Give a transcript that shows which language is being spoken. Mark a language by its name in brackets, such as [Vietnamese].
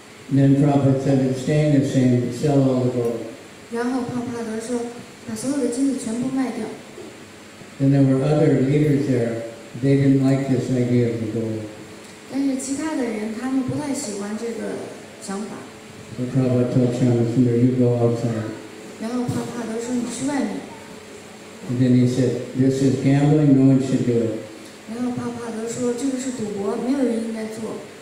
[English] Then Prabhupada said it's staying the same, sell all the gold. [Chinese] 然后胖胖德说把所有的金子全部卖掉。 [English] Then there were other leaders there, they didn't like this idea of the gold. [Chinese] 但是其他的人他们不太喜欢这个想法。 [English] So Prabhupada told Chamasundra, you go outside. [Chinese] 然后胖胖德说你去外面。 [English] And then he said, this is gambling, no one should do it. [Chinese] 然后胖胖德说这个是赌博，没有人应该做。